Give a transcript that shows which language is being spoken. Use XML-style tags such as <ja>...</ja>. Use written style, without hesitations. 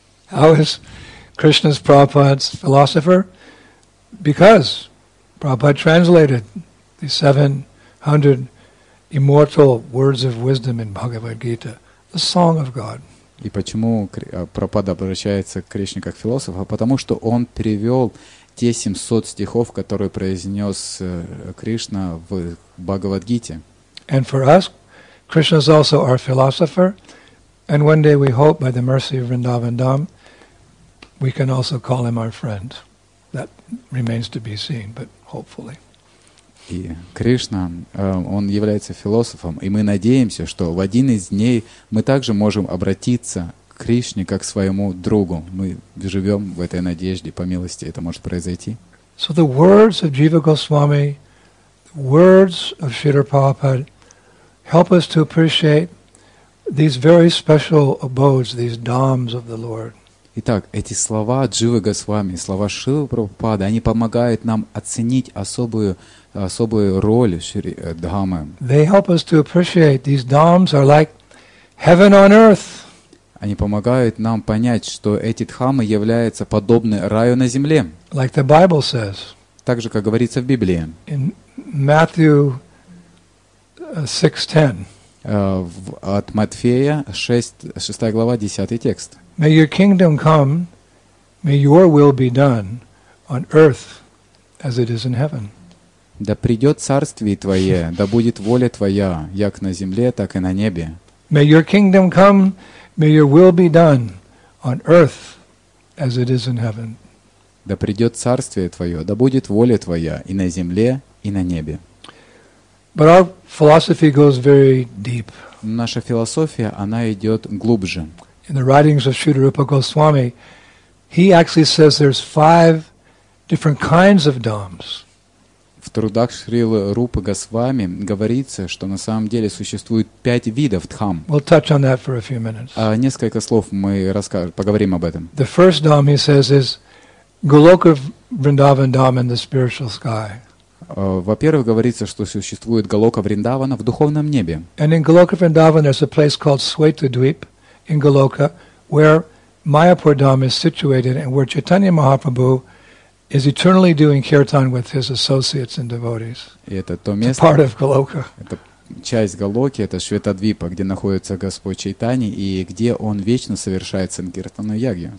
<en>How is Krishna's Prabhupada's philosopher? Because Prabhupada translated the 700 immortal words of wisdom in Bhagavad Gita, the song of God.</en> <ru>И почему Прабхупада обращается к Кришне как философ? А потому что он перевел те 700 стихов, которые произнес Кришна в Бхагавад-гите.</ru> <en>And for us, Krishna is also our philosopher, and one day we hope by the mercy of Vrindavan Dham, we can also call him our friend. That remains to be seen, but hopefully.</en> <ru>И Кришна, он является философом, и мы надеемся, что в один из дней мы также можем обратиться к Кришне как к своему другу. Мы живем в этой надежде, по милости это может произойти.</ru> <en>So the words of Jiva Goswami, the words of Śrīla Prabhupāda help us to appreciate these very special abodes, these dhams of the Lord.</en> <ru>Итак, эти слова Дживы Госвами, слова Шрилы Прабхупады, они помогают нам оценить особую роль Дхамы.</ru> <en>They help us to appreciate these dhams are like heaven on earth.</en> <ru>Они помогают нам понять, что эти дхамы являются подобны раю на земле.</ru> <en>Like the Bible says.</en> <ru>Так же, как говорится в Библии.</ru> <en>In Matthew 6:10.</en> <ru>От Матфея 6 глава, 10 текст.</ru> <en>May your kingdom come, may your will be done on earth as it is in heaven.</en> <ru>Да придет царствие Твое, да будет воля Твоя, як на земле, так и на небе.</ru> <en>May your kingdom come, may your will be done on earth as it is in heaven.</en> <ru>Да придет царствие Твое, да будет воля Твоя и на земле, и на небе.</ru> <en>But our philosophy goes very deep.</en> <ru>Наша философия, она идет глубже.</ru> <en>In the writings of Śrīla Rūpa Goswami, he actually says there's five different kinds of dhams.</en> <ru>В трудах Шрилы Рупы Госвами говорится, что на самом деле существует пять видов дхам.</ru> <en>We'll touch on that for a few minutes.</en> <ru>Несколько слов мы поговорим об этом.</ru> <en>The first dham, he says, is Goloka Vrindavan dham in the spiritual sky.</en> <ru>Во-первых, говорится, что существует Голока Вриндавана в духовном небе.</ru> <en>And in Goloka Vrindavan there's a place called Svetadvip in Goloka, where Mayapur Dham is situated and where Chaitanya Mahaprabhu is eternally doing kirtan with his associates and devotees. It's part of Goloka.</en> <ru>Это часть Голоки, это Шветадвипа, где находится Господь Чайтани и где он вечно совершает санкиртану яги.</ru>